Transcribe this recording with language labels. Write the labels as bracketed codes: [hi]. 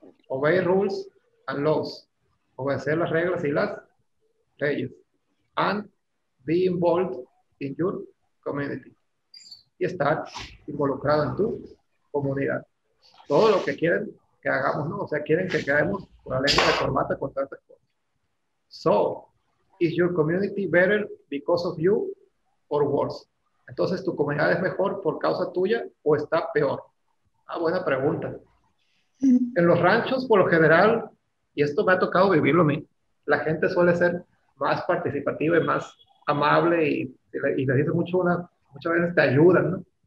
[en] Obey rules and laws. [es] Obedecer las reglas y las leyes. [en] And be involved in your community. [es] Y estar involucrado en tu comunidad. Todo lo que quieren que hagamos, ¿no? O sea, quieren que quedemos con la lengua de corbata con tantas cosas. [en] So, is your community better because of you or worse? [es] Entonces, ¿tu comunidad es mejor por causa tuya o está peor? Ah, buena pregunta. En los ranchos, por lo general, y esto me ha tocado vivirlo a mí, la gente suele ser más participativa y más amable y le dice mucho una, muchas veces te ayudan, ¿no?